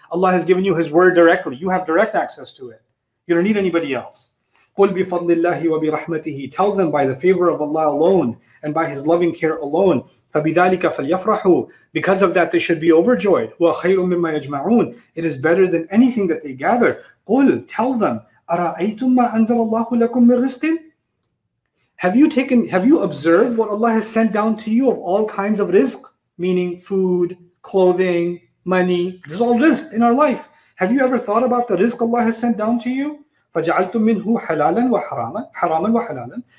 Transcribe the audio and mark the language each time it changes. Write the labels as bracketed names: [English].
[English] Allah has given you His word directly. You have direct access to it. You don't need anybody else. [Arabic] قُلْ بِفَضْلِ اللَّهِ وَبِرَحْمَتِهِ. [English] Tell them by the favor of Allah alone and by His loving care alone. [Arabic] فَبِذَٰلِكَ فَلْيَفْرَحُوا. [English] Because of that, they should be overjoyed. [Arabic] وَخَيْرٌ مِمَّا يَجْمَعُونَ. [English] It is better than anything that they gather. [Arabic] قُلْ, [English] tell them, [Arabic] أَرَأَيْتُمْ مَا أَنزَلَ اللَّهُ لَكُمْ مِنْ رِزْقٍ. [English] Have you observed what Allah has sent down to you of all kinds of rizq? Meaning food, clothing, money. This is all rizq in our life. Have you ever thought about the rizq Allah has sent down to you? [Arabic] فَجَعَلْتُمْ مِنْهُ حَلَالًا وَحَرَامًا حَرَامًا وَحَلَالًا.